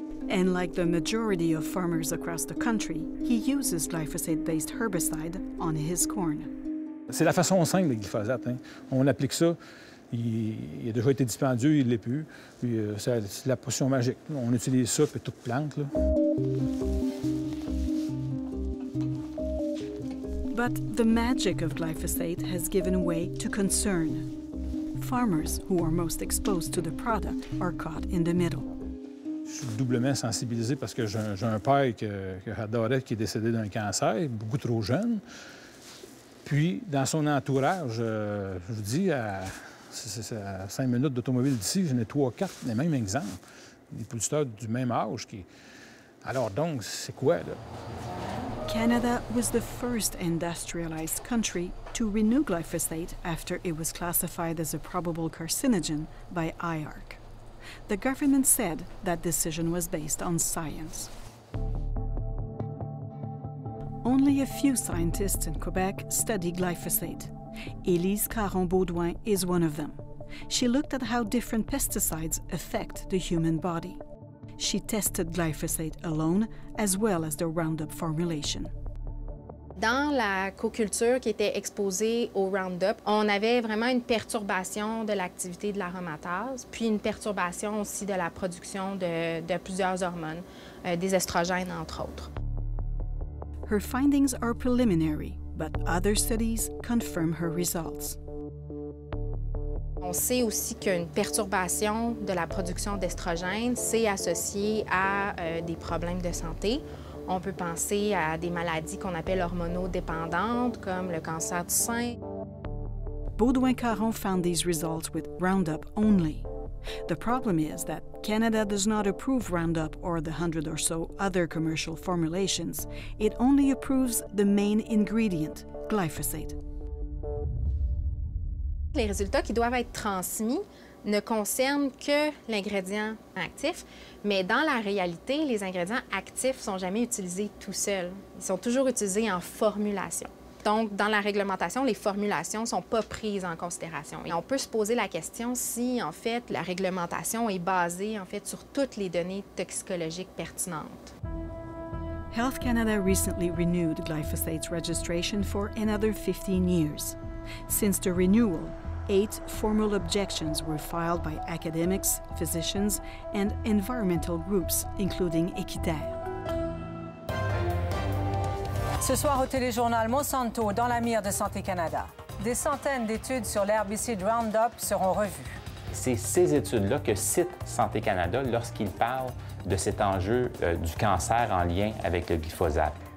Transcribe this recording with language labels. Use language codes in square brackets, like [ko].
[en] And like the majority of farmers across the country, he uses glyphosate-based herbicide on his corn. [fr] C'est la façon simple des glyphosate. Hein. On applique ça, il a déjà été dispendieux, il ne l'est plus. Puis, c'est la potion magique. On utilise ça, puis toute plante. Là. [en] But the magic of glyphosate has given way to concern. Farmers who are most exposed to the product are caught in the middle. [fr] Je suis doublement sensibilisé parce que j'ai un père que j'adorais qui est décédé d'un cancer, beaucoup trop jeune. Puis, dans son entourage, je vous dis, à 5 minutes d'automobile d'ici, j'en ai 3-4, les mêmes exemples. Des producteurs du même âge qui... Alors donc, c'est quoi, là? [en] Canada was the first industrialized country to renew glyphosate after it was classified as a probable carcinogen by IARC. The government said that decision was based on science. Only a few scientists in Quebec study glyphosate. Élise Caron-Baudouin is one of them. She looked at how different pesticides affect the human body. She tested glyphosate alone, as well as the Roundup formulation. [fr] dans la co-culture qui était exposée au Roundup, on avait vraiment une perturbation de l'activité de l'aromatase, puis une perturbation aussi de la production de plusieurs hormones, des estrogènes, entre autres. [en] Her findings are preliminary, but other studies confirm her results. [fr] On sait aussi qu'une perturbation de la production d'estrogènes, c'est associé à des problèmes de santé. On peut penser à des maladies qu'on appelle hormonodépendantes, comme le cancer du sein. [en] Baudouin Caron found these results with Roundup only. The problem is that Canada does not approve Roundup or the 100 or so other commercial formulations. It only approves the main ingredient, glyphosate. [fr] Les résultats qui doivent être transmis ne concernent que l'ingrédient actif, mais dans la réalité, les ingrédients actifs ne sont jamais utilisés tout seuls. Ils sont toujours utilisés en formulation. Donc, dans la réglementation, les formulations ne sont pas prises en considération. Et on peut se poser la question si, en fait, la réglementation est basée, en fait, sur toutes les données toxicologiques pertinentes. [en] Health Canada recently renewed glyphosate's registration for another 15 years. Since the renewal, 8 formal objections were filed by academics, physicians, and environmental groups, including Équitaire. [fr] Ce soir au téléjournal, Monsanto dans la mire de Santé Canada. Des centaines d'études sur l'herbicide Roundup seront revues. C'est ces études-là que cite Santé Canada lorsqu'il parle de cet enjeu du cancer en lien avec le glyphosate.